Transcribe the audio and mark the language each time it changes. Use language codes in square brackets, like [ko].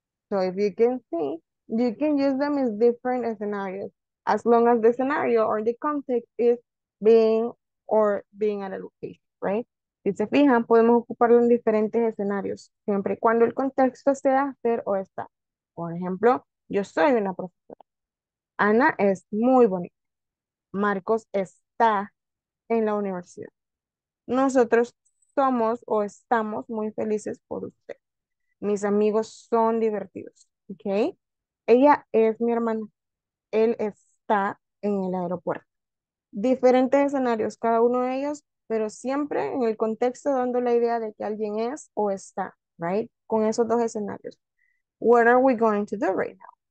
[en] So if you can see, you can use them in different scenarios, as long as the scenario or the context is being or being at a location, right? [es] Si se fijan, podemos ocuparlo en diferentes escenarios, siempre y cuando el contexto sea ser o estar. Por ejemplo, yo soy una profesora. Ana es muy bonita. Marcos está en la universidad. Nosotros somos o estamos muy felices por usted. Mis amigos son divertidos. ¿Okay? Ella es mi hermana. Él está en el aeropuerto. Diferentes escenarios, cada uno de ellos, pero siempre en el contexto dando la idea de que alguien es o está, right? Con esos dos escenarios. [en] What are we going to do right now?